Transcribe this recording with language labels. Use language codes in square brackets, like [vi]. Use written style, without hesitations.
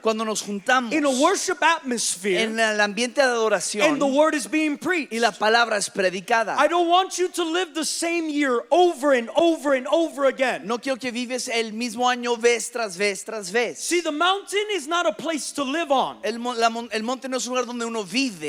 [es] cuando nos juntamos, [en] in a worship atmosphere, [es] en el ambiente de adoración, [en] and the word is being preached, [es] y la palabra es predicada. [en] I don't want you to live the same year over and over and over again. [es] No quiero que vives el mismo año vez tras vez tras vez. [en] See, the mountain is not a place to live on. [es] El monte no es un lugar donde uno vive.